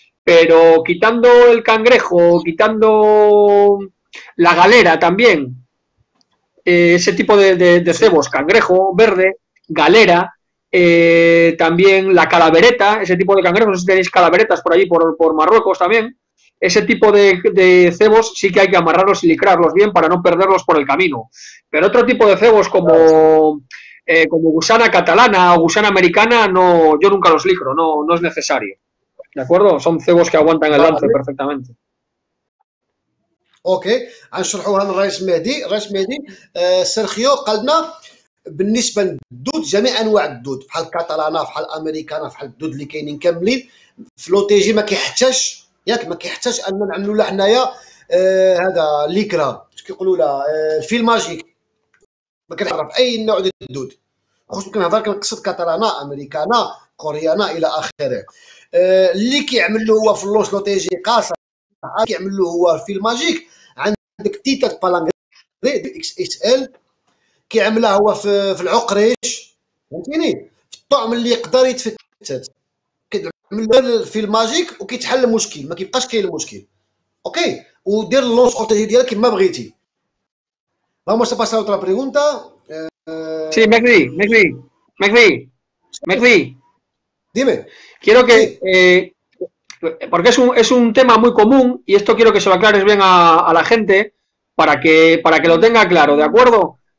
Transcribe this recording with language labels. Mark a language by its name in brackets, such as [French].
[Spanish] Pero quitando el cangrejo, quitando la galera también, ese tipo de cebos, cangrejo verde, galera, también la calavereta, ese tipo de cangrejos, no sé si tenéis calaveretas por ahí, por Marruecos también, ese tipo de cebos sí que hay que amarrarlos y licrarlos bien para no perderlos por el camino. Pero otro tipo de cebos como gusana catalana o gusana americana, no, yo nunca los licro, no es necesario. ¿De acuerdo? Son cebos que aguantan el lance Vale. perfectamente. [Arabic] اوكي غنشرحوا هذا الرئيس مهدي. الرئيس مهدي آه سيرخيو قال لنا بالنسبه للدود، جميع انواع الدود بحال الكاتالانا بحال الامريكانا بحال الدود اللي كاينين كاملين في لوتيجي، ما كيحتاجش ياك ما كيحتاجش ان نعملوا له حنايا هذا ليكرا كيقولوا له الفيل ماجيك، ما كنعرف اي نوع ديال الدود، خصوصا كنهضر كنقصد كاتالانا امريكانا كوريانا الى اخره. اللي كيعمل له هو في اللوش لوتيجي قاصر كيعمل له هو في الماجيك، عندك تيتا بالانجري اكس اس ال كيعملها هو في العقريش، فهمتيني، في الطعم اللي يقدر يتفتت كيعمل له في الماجيك وكيتحل المشكل، ما كيبقاش كاين المشكل. اوكي ودير اللونش اوتوماتيك ديالك كما بغيتي. [Spanish] vamos a pasar a otra pregunta. Sí, Magri. Dime. Quiero que, Sí. porque es un tema muy común y esto quiero que se lo aclares bien a la gente para que lo tenga claro, ¿de acuerdo?